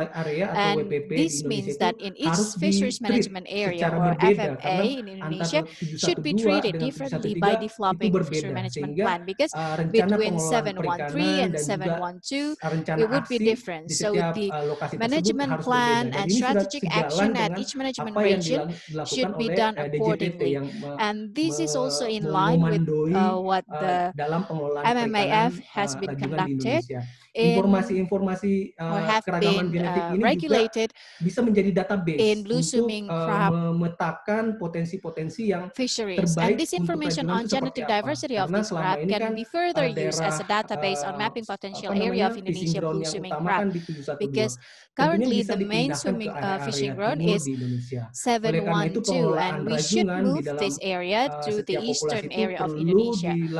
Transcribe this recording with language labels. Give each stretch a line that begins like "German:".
English: And this means that in each fisheries management area or FMA in Indonesia should be treated differently by developing fisheries management plan because between 713 and 712 it would be different. So the management plan and strategic action at each management region should be done accordingly. And this is also in line with what the MMAF has been conducted.
Indonesian: Informasi-informasi keragaman genetik ini juga bisa menjadi database untuk memetakan potensi-potensi yang fisheries. Terbaik.
English: And this information on genetic diversity of this crab can be further used as a database on mapping potential area of Indonesia blue swimming crab. Because currently the main swimming fishing ground is 712 and we should move this area to the eastern area of Indonesia.